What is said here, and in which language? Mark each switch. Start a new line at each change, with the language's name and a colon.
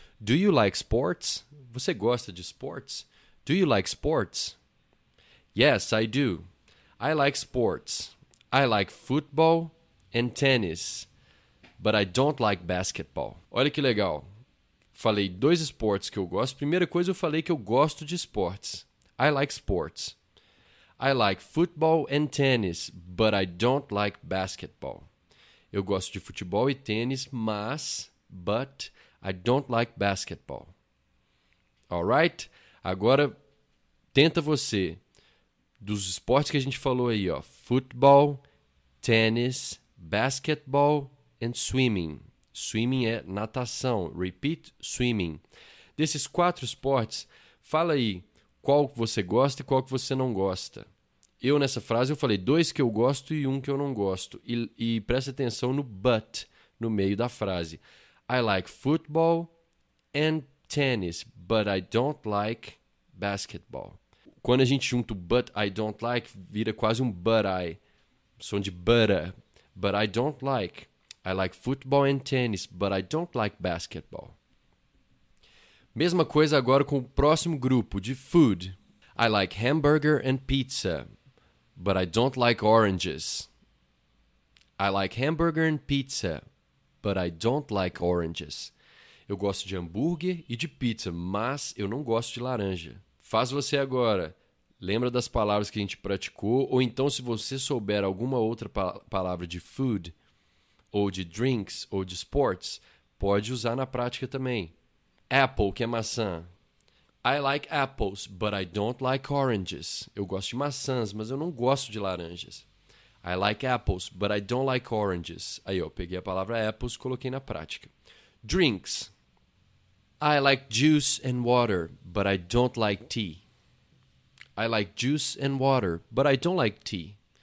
English: Do you like sports?
Portuguese: Você gosta de sports?
English: Do you like sports? Yes, I do. I like sports. I like football and tennis. But I don't like basketball.
Portuguese: Olha que legal. Falei dois esportes que eu gosto. Primeira coisa, eu falei que eu gosto de esportes.
English: I like sports. I like football and tennis, but I don't like basketball.
Portuguese: Eu gosto de futebol e tênis, mas,
English: but, I don't like basketball. Alright?
Portuguese: Agora, tenta você. Dos esportes que a gente falou aí, ó.
English: Football, tennis, basketball and swimming. Swimming
Portuguese: é natação.
English: Repeat, swimming.
Portuguese: Desses quatro esportes, fala aí qual você gosta e qual que você não gosta. Eu, nessa frase, eu falei dois que eu gosto e um que eu não gosto. E presta atenção no but, no meio da frase.
English: I like football and tennis, but I don't like basketball.
Portuguese: Quando a gente junta o
English: but I don't like,
Portuguese: vira quase um
English: but I.
Portuguese: Som de butter.
English: But I don't like. I like football and tennis, but I don't like basketball.
Portuguese: Mesma coisa agora com o próximo grupo de food.
English: I like hamburger and pizza. But I don't like oranges. I like hamburger and pizza, but I don't like oranges.
Portuguese: Eu gosto de hambúrguer e de pizza, mas eu não gosto de laranja. Faz você agora. Lembra das palavras que a gente praticou? Ou então, se você souber alguma outra palavra de food, ou de drinks, ou de sports, pode usar na prática também. Apple, que é maçã.
English: I like apples, but I don't like oranges.
Portuguese: Eu gosto de maçãs, mas eu não gosto de laranjas.
English: I like apples, but I don't like oranges.
Portuguese: Aí, eu peguei a palavra apples e coloquei na prática.
English: Drinks. I like juice and water, but I don't like tea. I like juice and water, but I don't like tea.